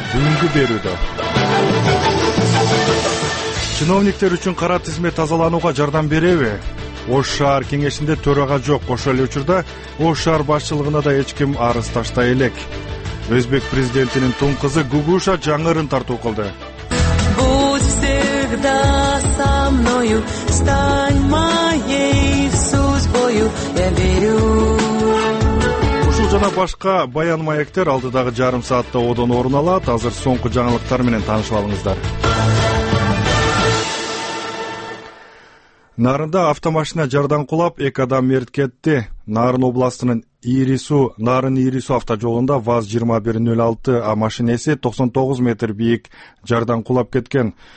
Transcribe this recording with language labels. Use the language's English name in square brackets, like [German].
[Kyrgyz] Бүгүнкү берүүдө: чиновниктер үчүн кара тизме тазаланууга жардам береби? Ош шаар кеңешинде төрага жок, ошол эле учурда Ош шаар башчылыгына да эч ким арыз таштай элек. Өзбек президентинин туң кызы Гугуша жаңырын тартуу кылды. [Russian] Будь всегда со мною, стань моей судьбою, я верю. [Kyrgyz] Ушул жана башка баян маектер алдыдагы жарым саатта одон орун алат. Азыр соңку жаңылыктар менен таанышып алыңыздар. Нарында автомашина жардан кулап, эки адам мерт кетти. Нарын областынын Нарын Ирисуу автожолунда ВАЗ 2106 машинеси 99 метр бийик жардан кулап кеткен.